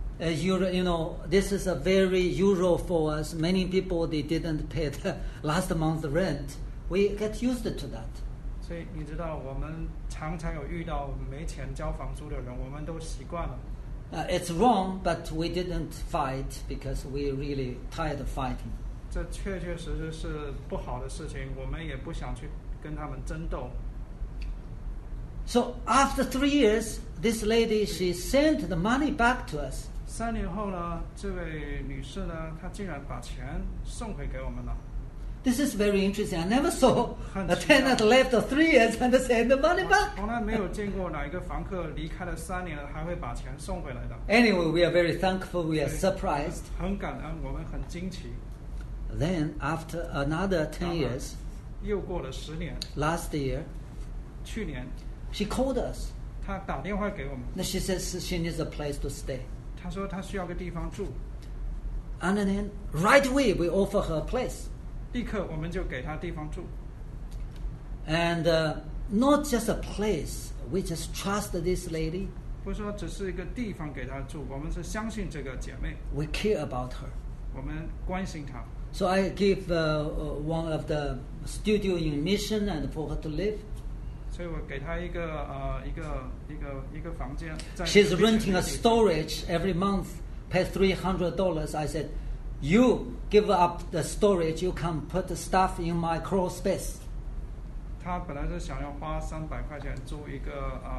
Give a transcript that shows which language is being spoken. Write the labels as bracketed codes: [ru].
[en] You know, this is a very usual for us. Many people they didn't pay the last month's rent. We get used to that. [zh] 所以你知道，我们常常有遇到没钱交房租的人，我们都习惯了。 [en] It's wrong, but we didn't fight because we really tired of fighting. [zh] 这确确实实是不好的事情，我们也不想去跟他们争斗。 [en] So after 3 years, this lady she sent the money back to us. [zh] 3年后呢，这位女士呢，她竟然把钱送回给我们了。 [en] This is very interesting. I never saw a tenant left 3 years and send the money back. [zh] 从来没有见过哪一个房客离开了三年了还会把钱送回来的。 [en] Anyway, we are very thankful. We are surprised. [zh] 很感恩，我们很惊奇。 [en] Then after another 10 years, [zh] 又过了十年。 [en] Last year, [zh] 去年 [en] ，she called us. [zh] 她打电话给我们。 [en] 那 she says she needs a place to stay. [zh] 她说她需要个地方住。 [en] And then right away we offer her a place. [zh] 立刻我们就给他地方住。 [en] And not just a place, we just trust this lady. [zh] 不是说只是一个地方给他住，我们是相信这个姐妹。 [en] We care about her. [zh] 我们关心她。 [en] So I give one of the studio in mission and for her to live. [zh] 所以我给她一个房间。 [en] She's renting a storage every month, pay $300. I said. You give up the storage. You can put the stuff in my crawl space. [zh] 他本来是想要花300块钱租一个